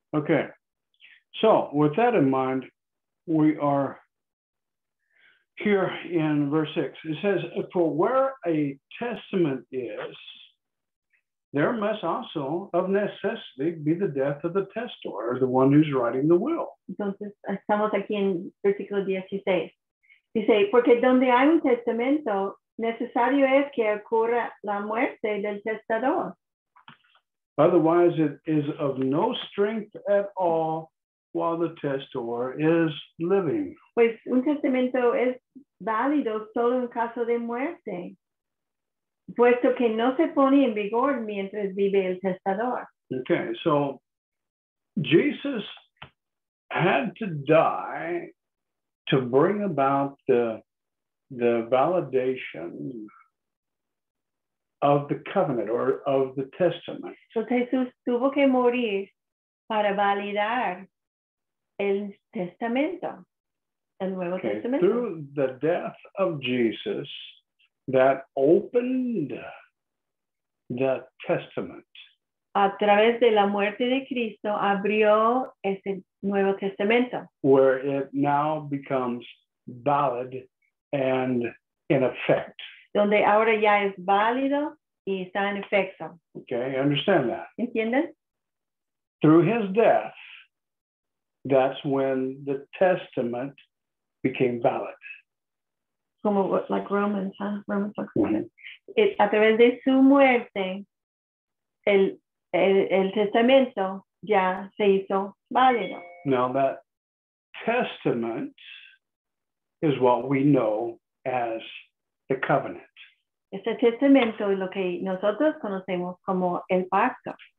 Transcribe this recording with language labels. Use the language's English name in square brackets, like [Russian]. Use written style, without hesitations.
[English] Okay, so with that in mind, we are here in verse 6. It says, for where a testament is, there must also of necessity be the death of the testator, the one who's writing the will. [Spanish] Entonces, estamos aquí en versículo 16. Dice, porque donde hay un testamento, necesario es que ocurra la muerte del testador. [English] Otherwise, it is of no strength at all while the testator is living. [Spanish] Pues un testamento es válido solo en caso de muerte, puesto que no se pone en vigor mientras vive el testador. [English] Okay, so Jesus had to die to bring about the validation of the covenant or of the testament. [Spanish] So Jesús tuvo que morir para validar el testamento, el nuevo testamento. [English] Through the death of Jesus, that opened the testament. [Spanish] A través de la muerte de Cristo, abrió ese nuevo testamento. [English] Where it now becomes valid and in effect. [Spanish] Donde ahora ya es válido y está en efecto. [English] Okay, understand that. [Spanish] ¿Entienden? [English] Through his death, that's when the testament became valid. Como like Romans, huh? Romans 1. [Spanish] A través de su muerte, el testamento ya se hizo válido. [English] Now that testament is what we know as the covenant. [Spanish] Este testamento es lo que nosotros conocemos como el pacto.